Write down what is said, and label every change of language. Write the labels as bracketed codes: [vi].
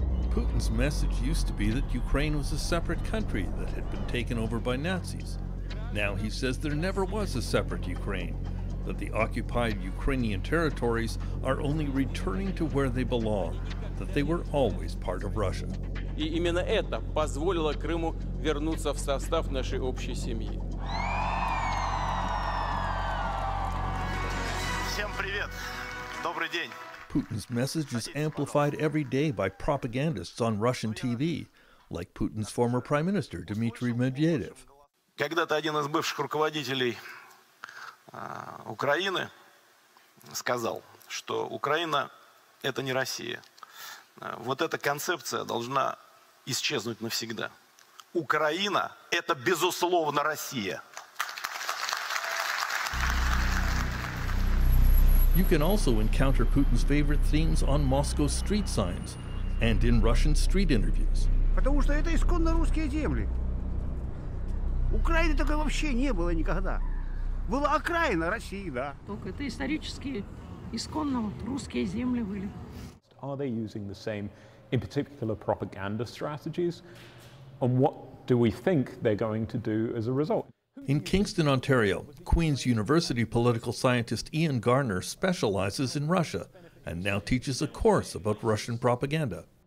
[en] Putin's message used to be that Ukraine was a separate country that had been taken over by Nazis. Now he says there never was a separate Ukraine, that the occupied Ukrainian territories are only returning to where they belong, that they were always part of Russia. [ru] И именно это позволило Крыму вернуться в состав нашей общей семьи. Всем привет! Добрый день! [en] Putin's message is amplified every day by propagandists on Russian TV, like Putin's former Prime Minister Dmitry Medvedev. [ru] Когда-то один из бывших руководителей Украины сказал, что Украина — это не Россия. Вот эта концепция должна исчезнуть навсегда. Украина — это, безусловно, Россия. [en] You can also encounter Putin's favorite themes on Moscow street signs and in Russian street interviews. [ru] Потому что это исконно русские земли. Украины такой вообще не было никогда. Была окраина России, да. Только это исторические, исконно вот русские земли были. [en] Are they using the same, in particular, propaganda strategies? And what do we think they're going to do as a result? In Kingston, Ontario, Queen's University political scientist Ian Garner specializes in Russia and now teaches a course about Russian propaganda.